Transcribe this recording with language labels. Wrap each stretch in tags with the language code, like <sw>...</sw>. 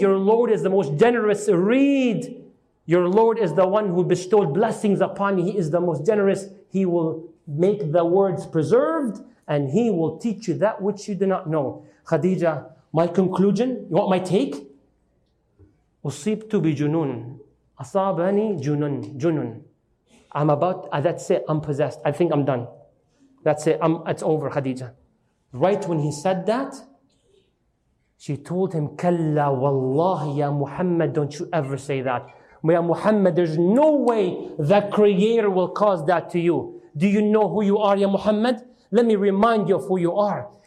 <en>Your Lord is the most generous. Read. Your Lord is the one who bestowed blessings upon you. He is the most generous. He will make the words preserved, and he will teach you that which you do not know. Khadija, my conclusion, you want my take?</en> <ar>أُصِيبْتُ بِجُنُونٍ أَصَابَنِي جُنُونٍ جُنُونٍ.</ar> <en>I'm about, that's it, I'm possessed. I think I'm done. That's it, it's over, Khadija. Right when he said that, she told him,</en> <ar>كَلَّا وَاللَّهِ يَا مُحَمَّدْ.</ar> <en>Don't you ever say that. Ya Muhammad, there's no way the Creator will cause that to you. Do you know who you are, Ya Muhammad? Let me remind you of who you are.</en>